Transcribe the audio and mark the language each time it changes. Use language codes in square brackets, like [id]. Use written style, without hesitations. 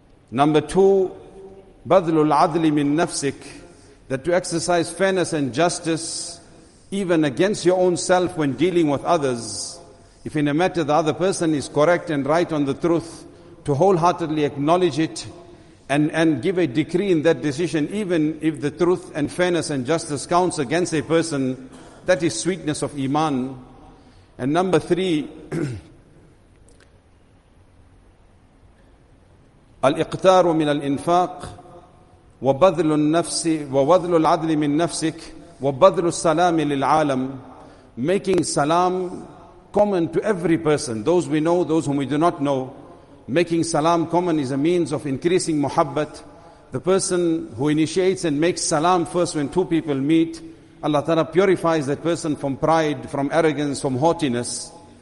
[en] Number two, [ar] بَذْلُ الْعَدْلِ مِن نَفْسِكِ, [en] that to exercise fairness and justice even against your own self when dealing with others. If in a matter the other person is correct and right on the truth, to wholeheartedly acknowledge it and give a decree in that decision, even if the truth and fairness and justice counts against a person, that is sweetness of Iman. And number three, [ar] الْإِقْتَارُ مِنَ الْإِنْفَاقِ وَبَذْلُ النَّفْسِ وَبَذْلُ الْعَدْلِ مِنْ نَفْسِكَ وَبَذْلُ السَّلَامِ لِلْعَالَمِ. [en] Making salam common to every person, those we know, those whom we do not know. Making salam common is a means of increasing muhabbat. The person who initiates and makes salam first when two people meet, Allah Ta'ala purifies that person from pride, from arrogance, from haughtiness.